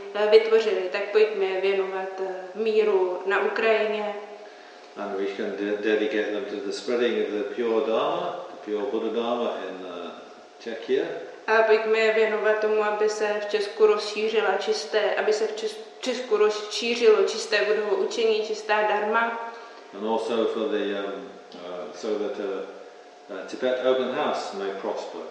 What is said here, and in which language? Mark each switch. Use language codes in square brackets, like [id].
[cs] Vytvořili, tak pojďme věnovat míru na Ukrajině. [en] And we can dedicate them to the spreading of the pure Dharma, the pure Buddha Dharma in Czechia. [cs] A pojďme věnovat tomu, aby se v Česku rozšířila čisté, aby se v Česku rozšířilo čisté Buddhovo učení, čistá dharma. [en] And also for the so that Tibet Open House may prosper.